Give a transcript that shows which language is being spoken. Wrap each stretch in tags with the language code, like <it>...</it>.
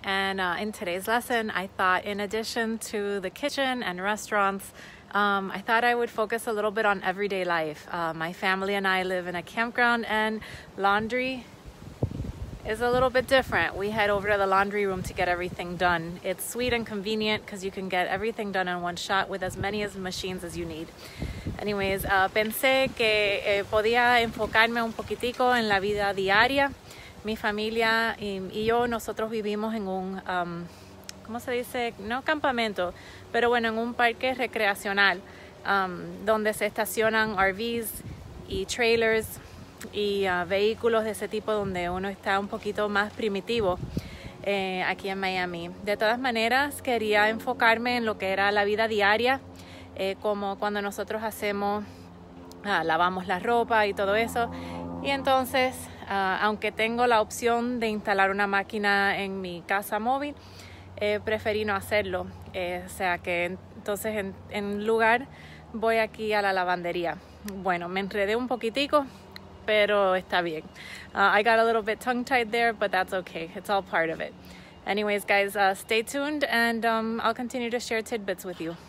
<en>And in today's lesson, I thought in addition to the kitchen and restaurants, I thought I would focus a little bit on everyday life. My family and I live in a campground and laundry is a little bit different. We head over to the laundry room to get everything done. It's sweet and convenient because you can get everything done in one shot with as many machines as you need.</en> <es>Anyways, pensé que podía enfocarme un poquitico en la vida diaria. Mi familia y yo, nosotros vivimos en un, ¿cómo se dice? No campamento, pero bueno, en un parque recreacional donde se estacionan RVs y trailers y vehículos de ese tipo donde uno está un poquito más primitivo aquí en Miami. De todas maneras, quería enfocarme en lo que era la vida diaria, como cuando nosotros hacemos, lavamos la ropa y todo eso. Y entonces, aunque tengo la opción de instalar una máquina en mi casa móvil, preferí no hacerlo. O sea que entonces en lugar voy aquí a la lavandería. Bueno, me enredé un poquitico, pero está bien.</es> <en>I got a little bit tongue-tied there, but that's okay. It's all part of it. Anyways, guys, stay tuned and I'll continue to share tidbits with you.</en>